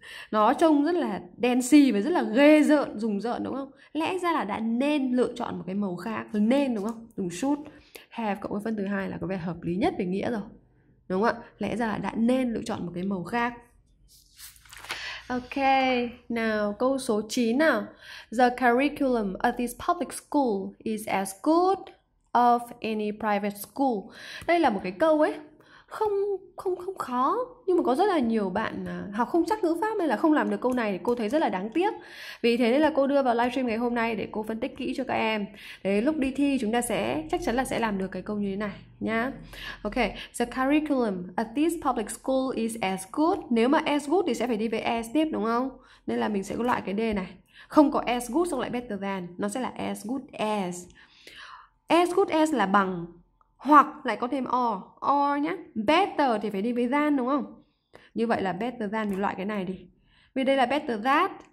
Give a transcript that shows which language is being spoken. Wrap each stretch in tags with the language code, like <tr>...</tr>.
<vi>Nó trông rất là đen xì và rất là ghê rợn, rùng rợn đúng không? Lẽ ra là đã nên lựa chọn một cái màu khác, nên đúng không? Dùng</vi> <en>should have</en> <vi>cộng với phân từ hai là có vẻ hợp lý nhất về nghĩa rồi. Đúng không ạ? Lẽ ra là đã nên lựa chọn một cái màu khác. Ok, nào câu số 9 nào.</vi> <en>The curriculum at this public school is as good of any private school.</en> <vi>Đây là một cái câu ấy. Không khó, nhưng mà có rất là nhiều bạn học không chắc ngữ pháp nên là không làm được câu này, thì cô thấy rất là đáng tiếc. Vì thế nên là cô đưa vào livestream ngày hôm nay để cô phân tích kỹ cho các em. Đấy, lúc đi thi chúng ta sẽ chắc chắn là sẽ làm được cái câu như thế này nhá.</vi> <en>Ok, the curriculum at this public school is as good.</en> <vi>Nếu mà</vi> <en>as good</en> <vi>thì sẽ phải đi với as tiếp đúng không? Nên là mình sẽ có loại cái D này. Không có</vi> <en>as good</en> <vi>xong lại</vi> <en>better than,</en> <vi>nó sẽ là</vi> <en>as good as. As good as</en> <vi>là bằng, hoặc lại có thêm or nhé. Better thì phải đi với than đúng không? Như vậy là</vi> <en>better than</en> <vi>mình loại cái này đi. Vì đây là</vi> <en>better that.</en>